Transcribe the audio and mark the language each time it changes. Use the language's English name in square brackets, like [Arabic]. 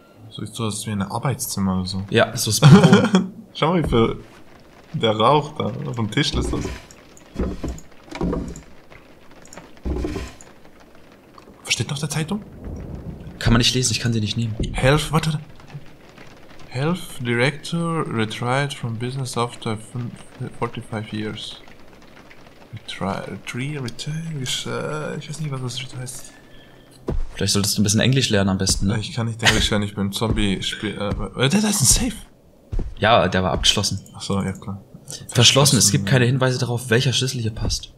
[German] So ist wie ein Arbeitszimmer oder so. Ja, so ist Büro. Schau mal, wie viel der Rauch da auf dem Tisch ist. Das. Was steht noch auf der Zeitung? Kann man nicht lesen, ich kann sie nicht nehmen. Warte. [English] Health Director retired from business after 45 years. [German] Ich weiß nicht, was das heißt. Vielleicht solltest du ein bisschen Englisch lernen am besten, ne? Ich kann nicht Englisch lernen, ich bin Zombie-Spieler. Der da ist ein Safe. Ja, der war abgeschlossen. Ach so, ja klar. Verschlossen, es gibt keine Hinweise darauf, welcher Schlüssel hier passt.